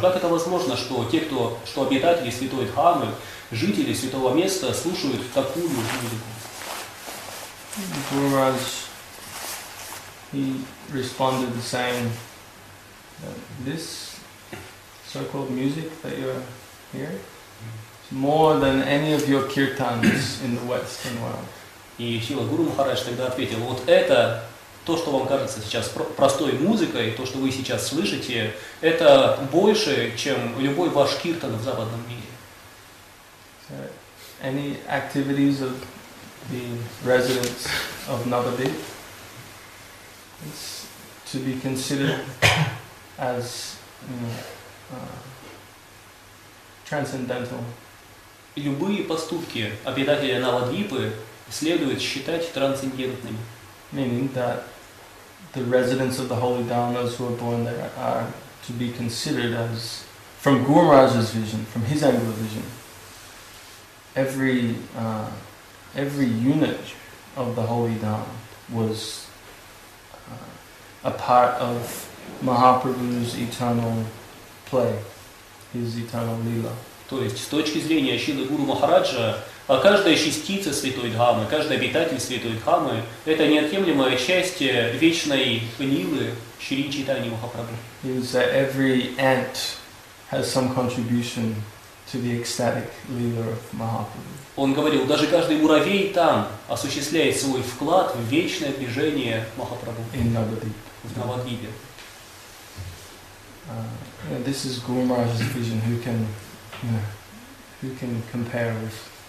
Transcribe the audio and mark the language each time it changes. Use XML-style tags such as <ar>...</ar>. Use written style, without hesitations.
<ru>Как это возможно, что те, что обитатели Святой Дхамы, жители святого места, слушают такую музыку?</ru> <en>Гуру Махарадж, he responded saying, this so-called music that you hear is more than any of your kirtans in the Western world.</en> <ru>И Шрила Гуру Махарадж тогда ответил, вот это то, что вам кажется сейчас простой музыкой, то, что вы сейчас слышите, это больше, чем любой ваш киртан в западном мире.</ru> <en>So, any activities of the residents of Navadvip is to be considered as transcendental.</en> <ru>Любые поступки обитателя Навадвипы следует считать трансцендентными.</ru> <en>Meaning that the residents of the holy dharmas who are born there are to be considered as, from Guru Maharaj's vision, from his angle of vision, every unit of the holy dharma was a part of Mahaprabhu's eternal play, his eternal lila.</en> <ru>То есть, с точки зрения Шрилы Гуру Махараджа, а каждая частица Святой Дхамы, каждый обитатель Святой Дхамы – это неотъемлемая часть вечной лилы Шри Чайтаньи Махапрабху.</ru> <en>It is that every ant has some contribution to the ecstatic lila of Mahaprabhu.</en> <ru>Он говорил, даже каждый муравей там осуществляет свой вклад в вечное движение Махапрабху.</ru> <en>In Navadvip.</en> <ru>В Навадвипе.</ru> <en>This is Guru Maharaj's vision. Who can compare with?</en>